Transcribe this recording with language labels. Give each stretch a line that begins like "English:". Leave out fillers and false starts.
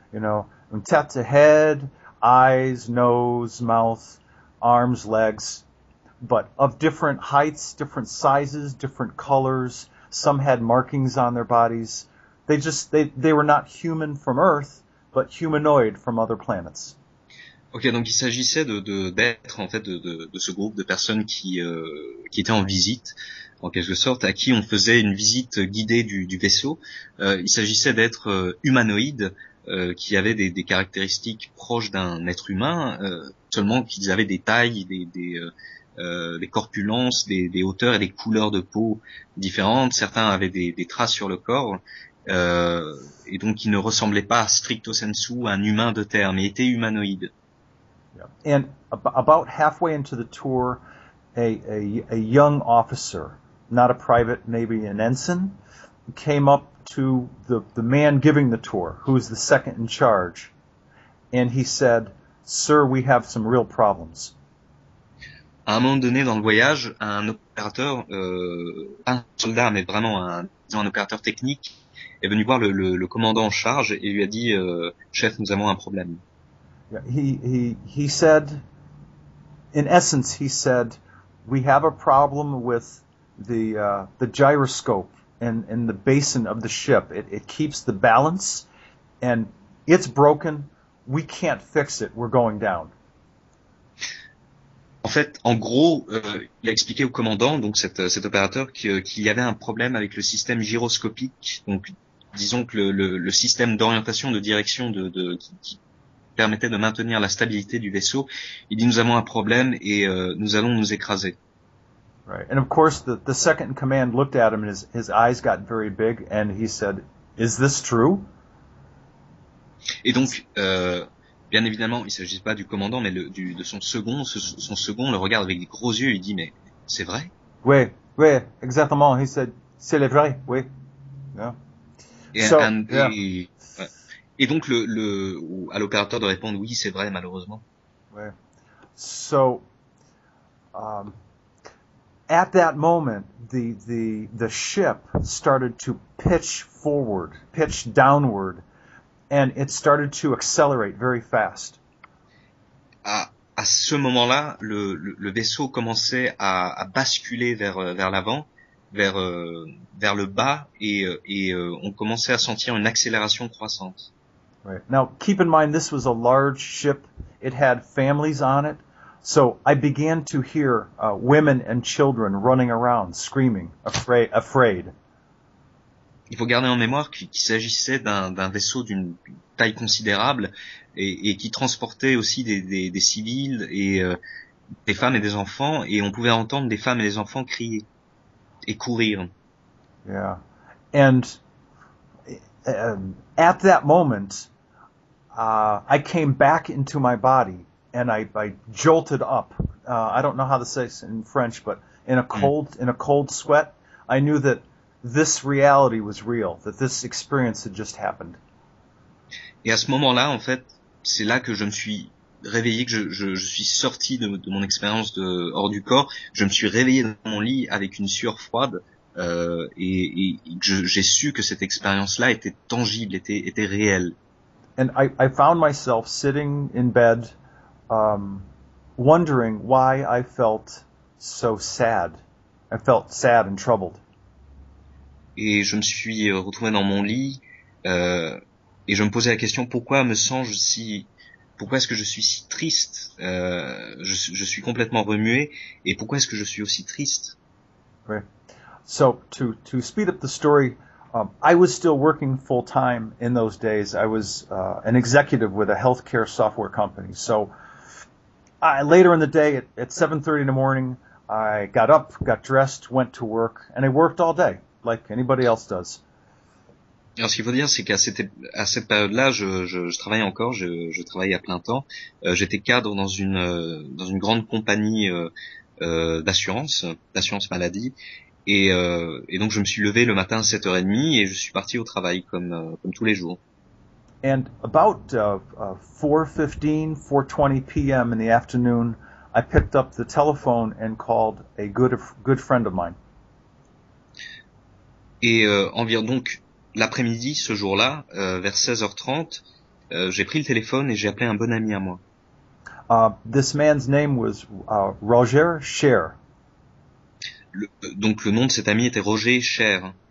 English: You know, tête, head, eyes, nose, mouth, arms, legs, but of different heights, different sizes, different colors. Some had markings on their bodies. They were not human from Earth, but humanoid from other planets.
French: Ok, donc il s'agissait d'être en fait de ce groupe de personnes qui étaient en visite. En quelque sorte, à qui on faisait une visite guidée du vaisseau. Il s'agissait d'être humanoïde, qui avait des caractéristiques proches d'un être humain, seulement qu'ils avaient des tailles, des corpulences, des hauteurs et des couleurs de peau différentes. Certains avaient des traces sur le corps, et donc ils ne ressemblaient pas stricto sensu à un humain de terre, mais étaient humanoïdes.
English: And about halfway into the tour, a young officer, not a private, maybe an ensign, came up to the man giving the tour, who is the second in charge, and he said, "Sir, we have some real problems."
French: À un moment donné dans le voyage, un opérateur, pas un soldat, mais vraiment un opérateur technique, est venu voir le commandant en charge et lui a dit, "Chef, nous avons un problème."
English: Yeah, he said, in essence, he said, "We have a problem with the gyroscope in the basin of the ship. It keeps the balance, and it's broken. We can't fix it. We're going down."
French: En fait, en gros, il a expliqué au commandant, donc cet opérateur, qu'il y avait un problème avec le système gyroscopique. Donc, disons que le système d'orientation, de direction, de qui permettait de maintenir la stabilité du vaisseau, il dit nous avons un problème et nous allons nous écraser.
English: Right. And of course the second in command looked at him and his eyes got very big and he said, is this true?
French: Et donc bien évidemment, il s'agit pas du commandant mais de son second, son second le regarde avec des gros yeux, il dit mais c'est vrai? Oui, oui, exactement,
English: he said
French: c'est le vrai, oui. Et donc à l'opérateur de répondre oui, c'est vrai malheureusement. Ouais.
English: So at that moment, the ship started to pitch forward, pitch downward, and it started to accelerate very fast.
French: À ce moment-là, le vaisseau commençait à basculer vers l'avant, vers le bas, et on commençait à sentir une accélération croissante.
English: Right. Now, keep in mind, this was a large ship. It had families on it. So I began to hear women and children running around, screaming, afraid.
French: Il faut garder en mémoire qu'il s'agissait d'un vaisseau d'une taille considérable et qui transportait aussi des civils et des femmes et des enfants, et on pouvait entendre des femmes et des enfants crier et courir.
English: Yeah. And at that moment, I came back into my body. And I jolted up. I don't know how to say it in French, but in a cold sweat, I knew that this reality was real, that this experience had just happened.
French: Et à ce moment-là, en fait, c'est là que je me suis réveillé, que je suis sorti de mon expérience de hors du corps. Je me suis réveillé dans mon lit avec une sueur froide, j'ai su que cette expérience-là était tangible, était réelle.
English: And I found myself sitting in bed. Wondering why I felt so sad. I felt sad and troubled.
French: Et je me suis retrouvé dans mon lit, et je me posais la question, pourquoi est-ce que je suis si triste? Je suis complètement remué, et pourquoi est-ce que je suis aussi triste?
English: Right. So, to speed up the story, I was still working full time in those days. I was an executive with a healthcare software company. So, later in the day, at 7:30 in the morning, I got up, got dressed, went to work, and I worked all day, like anybody else does.
French: Alors, ce qu'il faut dire, c'est qu'à cette période-là, je travaillais encore, je travaillais à plein temps. J'étais cadre dans une grande compagnie d'assurance maladie, et donc je me suis levé le matin à 7h30 et je suis parti au travail comme tous les jours.
English: And about 4:15, 4:20 p.m. in the afternoon, I picked up the telephone and called a good friend of mine.
French: Et environ donc l'après-midi, ce jour-là, vers 16h30, j'ai pris le téléphone et j'ai appelé un bon ami à moi.
English: This man's name was Roger Cher.
French: Donc le nom de cet ami était Roger Cher.